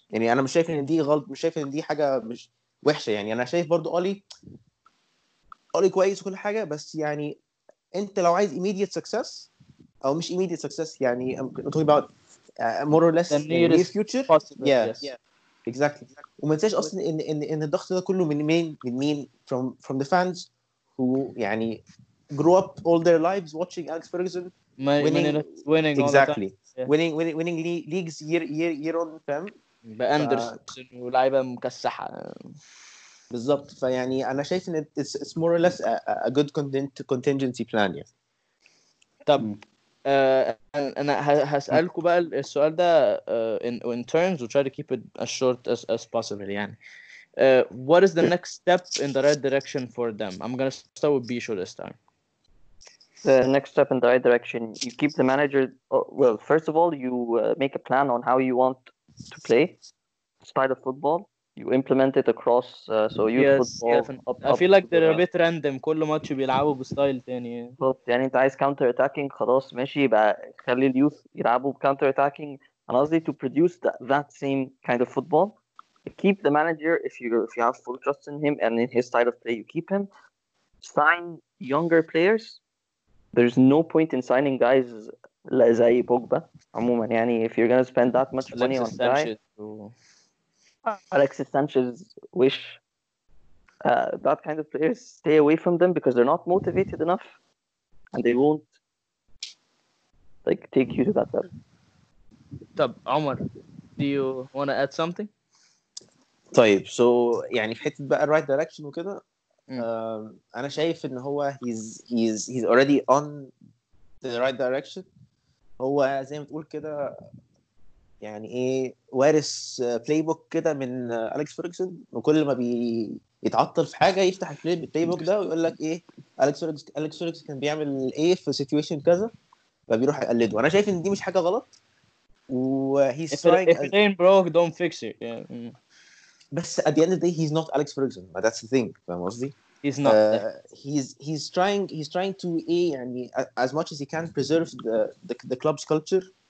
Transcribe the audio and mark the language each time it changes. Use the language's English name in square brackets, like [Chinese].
[Arabic] يعني انا مش شايف ان دي غلط, مش شايف ان دي حاجه مش وحشه يعني. انا شايف برضو اولي كويس وكل حاجه, بس يعني انت لو عايز [English] immediate success [Arabic] او مش immediate success يعني [English] I'm talking about more or less the near future possible. yeah. yes yeah. Exactly. [Arabic] وما تنساش أصلاً إن الضغط ده كله من مين [English] from the fans who [Arabic] يعني [English] grew up all their lives watching Alex Ferguson winning exactly all the time. Yeah. winning leagues year on them. [Arabic] بأندرسون ولاعيبة مكسحة. بالضبط. فيعني أنا شايف إن [English] it's more or less a good contingency plan [Arabic] يعني. طب انا هسالكم بقى السؤال ده [English] in terms [Arabic] و [English] try to keep it as short as possible [Arabic] يعني. [English] What is the next step in the right direction for them? I'm gonna start with Bisho this time. The next step in the right direction, you keep the manager. Well, first of all, you make a plan on how you want to play style of football. You implement it across so youth yes, football. Yes, I feel like they're a bit random. [Arabic] كل ماتش بيلعبوا بستايل تاني. بالضبط. يعني انت عايز counter attacking, خلاص ماشي بقى خلي اليوث يلعبوا counter attacking. [English] And honestly, to produce that same kind of football, keep the manager if you have full trust in him and in his style of play, you keep him. Sign younger players. There's no point in signing guys [Arabic] زي بوجبا. عموما يعني [English] if you're gonna spend that much money on guy. Alexis Sanchez, wish that kind of players stay away from them because they're not motivated enough and they won't like take you to that level. [Arabic] طب [English] عمر, do you want to add something? [Arabic] طيب, so يعني في حته بقى right direction وكده, انا شايف ان هو [English] he's already on the right direction. [Arabic] هو زي ما تقول كده يعني ايه وارث بلاي بوك كده من أليكس فيرجسون, وكل ما بيتعطل في حاجه يفتح البلاي بوك ده ويقول لك ايه أليكس فيرجسون كان بيعمل ايه في سيتويشن كذا فبيروح يقلده. وانا شايف ان دي مش حاجه غلط. وهي [English] سايك if then broke don't fix it. [Arabic] بس [English] at the end of the day he's not Alex Ferguson, but that's the thing. [Arabic] فاهم قصدي؟ [English] He's not. He's trying to [Arabic] ايه يعني [English] as much as he can preserve the club's culture.